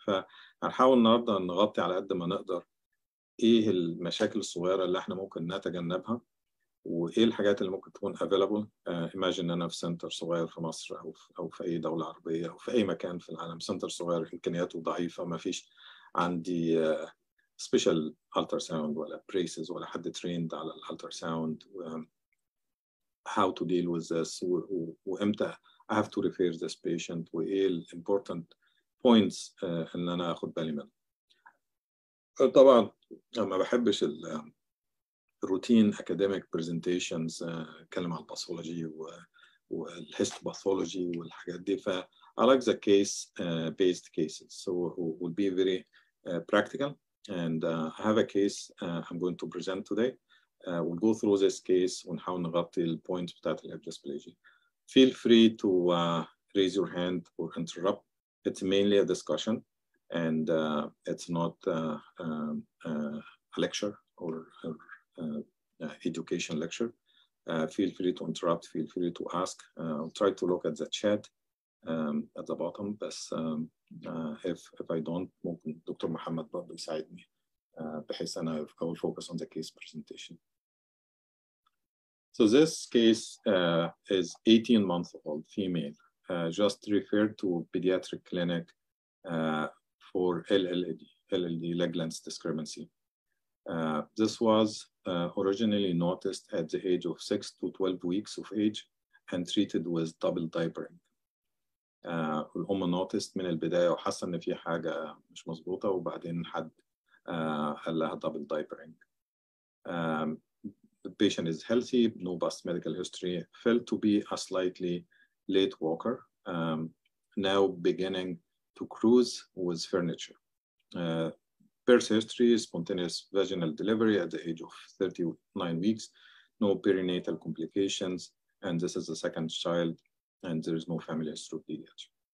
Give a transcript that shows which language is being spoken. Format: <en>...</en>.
<ar>فهنحاول النهاردة نغطي على قد ما نقدر ايه المشاكل الصغيرة اللي احنا ممكن نتجنبها، وإيه الحاجات اللي ممكن تكون available.</ar> <en>Imagine</en> <ar>أنا في سنتر صغير في مصر أو في أي دولة عربية أو في أي مكان في العالم، سنتر صغير إمكانياته ضعيفة، ما فيش عندي</ar> <en>special ultrasound</en> <ar>ولا braces ولا حد</ar> <en>trained</en> <ar>على الultrasound.</ar> <en>How to deal with this</en> <ar>وإمتى</ar> <en>I have to refer this patient، وإيه الimportant points</en> <ar>إن أنا أخد بالي منه. طبعا أنا ما بحبش روتين اكاديميك برزنتيشنز اتكلم على الباثولوجي والهيستوباثولوجي والحاجات دي، ف</ar> <en>I like the case based cases so will be very practical and I have a case I'm going to present today. We'll go through this case</en> <ar>ونحاول نغطي البوينت بتاعت الهيب ديسبلاسيا.</ar> <en>Feel free to raise your hand or interrupt. It's mainly a discussion and it's not a lecture or education lecture. Feel free to interrupt, feel free to ask. I'll try to look at the chat at the bottom, but if I don't, Dr. Muhammad will beside me. I will focus on the case presentation. So this case is 18 month old female, just referred to a pediatric clinic for LLD, leg length discrepancy. This was originally noticed at the age of 6 to 12 weeks of age and treated with double diapering.</en> <ar>الأم</ar> <en>noticed</en> <ar>من البداية وحاسة إن في حاجة مش مظبوطة، وبعدين حد قال لها double diapering.</ar> <en>The patient is healthy, no past medical history, felt to be a slightly late walker, now beginning to cruise with furniture. Birth history, spontaneous vaginal delivery at the age of 39 weeks, no perinatal complications, and this is the second child, and there is no family history of DDH.</en>